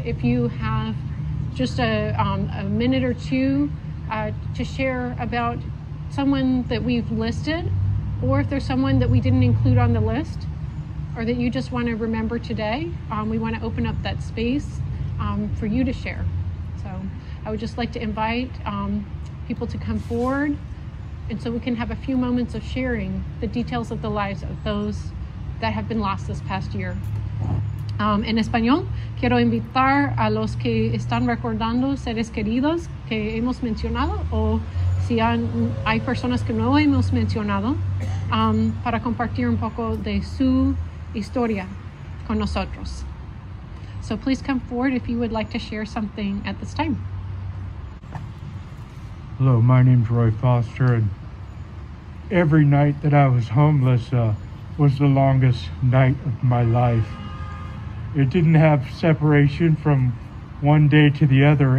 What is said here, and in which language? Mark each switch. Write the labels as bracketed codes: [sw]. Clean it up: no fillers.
[en] If you have just a minute or two to share about someone that we've listed, or if there's someone that we didn't include on the list, or that you just want to remember today, we want to open up that space for you to share. So I would just like to invite people to come forward, and so we can have a few moments of sharing the details of the lives of those that have been lost this past year. [es] En español, quiero invitar a los que están recordando seres queridos que hemos mencionado, o si hay personas que no hemos mencionado, para compartir un poco de su historia con nosotros. [en] So please come forward if you would like to share something at this time. Hello, my name's Roy Foster, and every night that I was homeless was the longest night of my life. It didn't have separation from one day to the other.